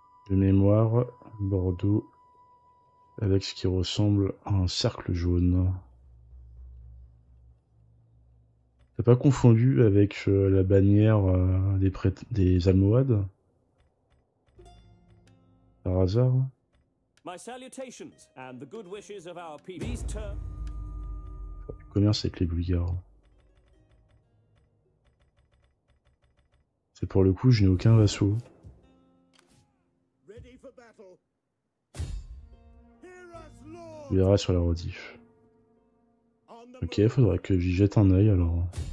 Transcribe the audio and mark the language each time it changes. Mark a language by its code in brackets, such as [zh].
[fr] De mémoire, Bordeaux, avec ce qui ressemble à un cercle jaune. T'as pas confondu avec la bannière des Almohades ? Par hasard. [en] My salutations and the good wishes of our people's turn. [fr] Je commence avec les Bulgares. C'est pour le coup, je n'ai aucun vassal. [en] Ready for battle. Hear us, Lord. [fr] On verra sur la rediff. Ok, faudrait que j'y jette un œil alors.